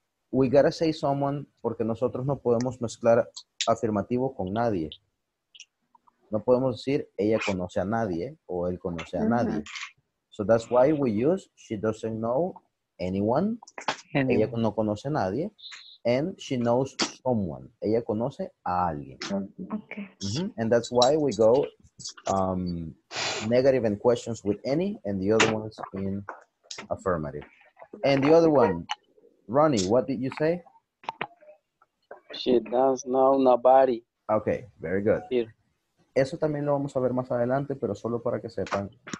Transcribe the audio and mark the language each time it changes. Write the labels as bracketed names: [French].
[English] We gotta say someone [Spanish] porque nosotros no podemos mezclar afirmativo con nadie. No podemos decir ella conoce a nadie o él conoce a uh-huh. nadie. [English] So that's why we use she doesn't know anyone. [Spanish] Ella no conoce a nadie. [English] And she knows someone. [Spanish] Ella conoce a alguien. [English] Okay. Mm-hmm. And that's why we go negative in questions with any and the other ones in affirmative. And the other one, Ronnie, what did you say? She does know nobody. Okay, very good. Here. [Spanish] Eso también lo vamos a ver más adelante, pero solo para que sepan.